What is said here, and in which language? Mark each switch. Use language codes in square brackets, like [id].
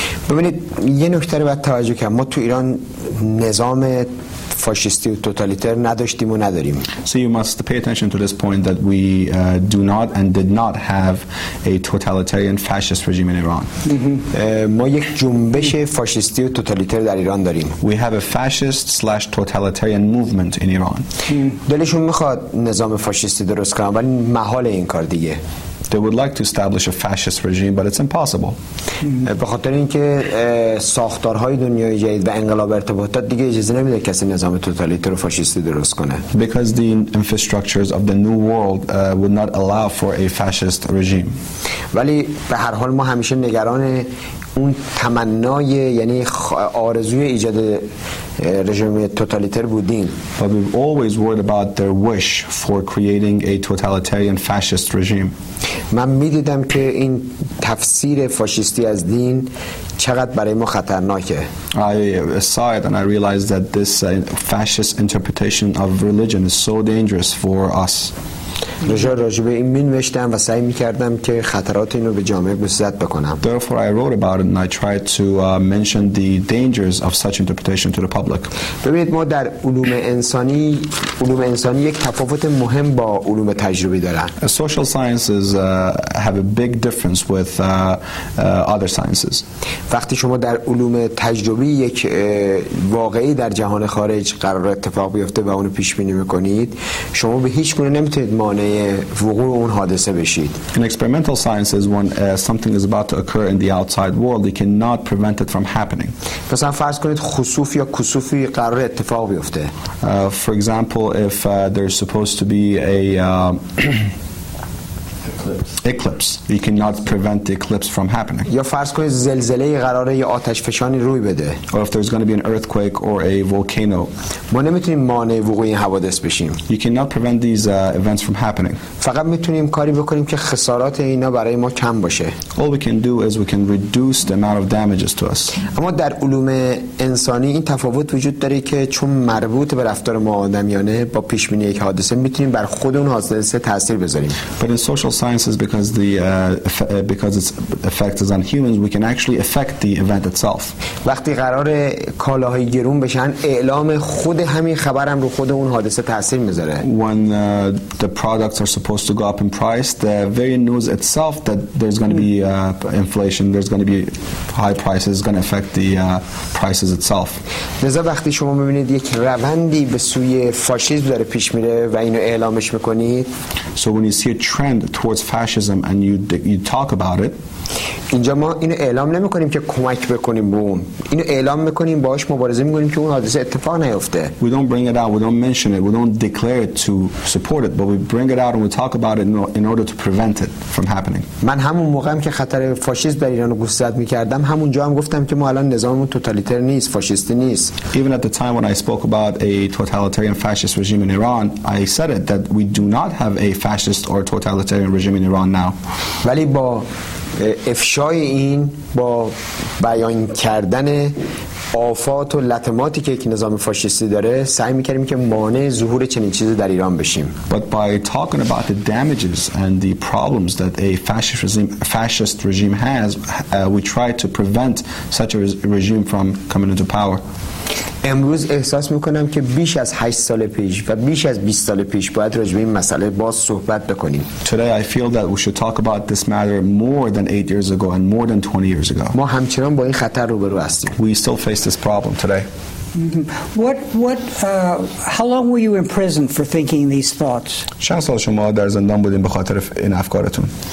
[fa] ببینید یه نکته رو باید توجه کنم. ما تو ایران نظام فاشیستی و توتالیتر نداشتیم و نداریم. [en] So you must pay attention to this point that we do not and did not have a totalitarian fascist regime in Iran. [fa] ما یک جنبش فاشیستی و توتالیتر در ایران داریم. [en] We have a fascist/totalitarian movement in Iran. [fa] دلشون میخواد نظام فاشیستی درست کنن ولی محال این کار دیگه. [en] They would like to establish a fascist regime, but it's impossible. [fa] به خاطر اینکه ساختارهای دنیای جدید و انقلاب ارتباطات دیگه اجازه نمیده کسی نظام توتالیتر و فاشیستی درست کنه. [en] Because the infrastructures of the new world would not allow for a fascist regime. [fa] ولی به هر حال ما همیشه نگران اون تمنای یعنی آرزوی ایجاد رژیم توتالیتر بودیم. [en] But we've always worried about their wish for creating a totalitarian fascist regime. [fa] من می‌دیدم که این تفسیر فاشیستی از دین چقدر برای ما خطرناکه. [en] I saw it and I realized that this fascist interpretation of religion is so dangerous for us. [fa] راجبه این می‌نوشتم و سعی می‌کردم که خطرات اینو به جامعه گسترد بکنم. [en] Therefore I wrote about it and I tried to mention the dangers of such interpretation to the public. [fa] ببینید ما در علوم انسانی یک تفاوت مهم با علوم تجربی دارن. [en] Social sciences have a big difference with other sciences. [fa] وقتی شما در علوم تجربی یک واقعی در جهان خارج قرار اتفاق بیفته و اونو پیش‌بینی می‌کنید، شما به هیچ گونه نمی‌تونید مانع زمینه وقوع اون حادثه بشید. [en] In experimental sciences, when something is about to occur in the outside world, you cannot prevent it from happening. [fa] مثلا فرض کنید خسوف یا کسوفی قرار اتفاق بیفته. [en] For example, if there's supposed to be a eclipse, you cannot prevent the eclipse from happening. [fa] یا فرض کنید زلزله قراره یا آتش فشانی روی بده. [en] Or if there's going to be an earthquake or a volcano. [fa] ما نمیتونیم مانع وقوع این حوادث بشیم. [en] You cannot prevent these events from happening. [fa] فقط میتونیم کاری بکنیم که خسارات اینا برای ما کم باشه. [en] All we can do is we can reduce the amount of damages to us. [fa] اما در علوم انسانی این تفاوت وجود داره که چون مربوط به رفتار ما آدمیانه با پیش بینی یک حادثه میتونیم بر خود اون حادثه تاثیر بذاریم. [en] But in social sciences, because the because its effect is on humans, we can actually affect the event itself. [fa] وقتی قرار کالاهای گرون بشن اعلام خود همین خبرم رو خود اون حادثه تاثیر میذاره. [en] When the products are supposed to go up in price, the very news itself that there's going to be inflation, there's going to be high prices is going to affect the prices itself. [fa] لذا وقتی شما میبینید یک روندی به سوی فاشیسم داره پیش میره و اینو اعلامش میکنید, [en] so when you see a trend towards fascism and you talk about it, [fa] اینجا ما اینو اعلام نمیکنیم که کمک بکنیم به اون, اینو اعلام میکنیم باهاش مبارزه میکنیم که اون حادثه اتفاق نیفته. [en] We don't bring it out, we don't mention it, we don't declare it to support it, but we bring it out and we talk about it in order to prevent it from happening. [fa] من همون موقعی که خطر فاشیسم در ایران رو گوشزد میکردم همونجا هم گفتم که ما الان نظاممون توتالیتر نیست, فاشیستی نیست. [en] Even at the time when I spoke about a totalitarian fascist regime in Iran, I said it that we do not have a fascist or totalitarian regime in Iran now. [fa] ولی با افشای این, با بیان کردن آفات و لطماتی که یک نظام فاشیستی داره, سعی می‌کردیم که مانع ظهور چنین چیزی در ایران بشیم. [en] But by talking about the damages and the problems that a fascist regime has, we try to prevent such a regime from coming into power. [fa] امروز احساس میکنم که بیش از 8 سال پیش و بیش از 20 سال پیش باید راجع به این مسئله باز صحبت بکنیم. [en] Today I feel that we should talk about this matter more than 8 years ago and more than 20 years ago. [fa] ما همچنان با این خطر روبرو هستیم. [en] We still face this problem today. How long were you in prison for thinking these thoughts? [fa] چند سال شما در زندان بودیم به خاطر این افکارتون؟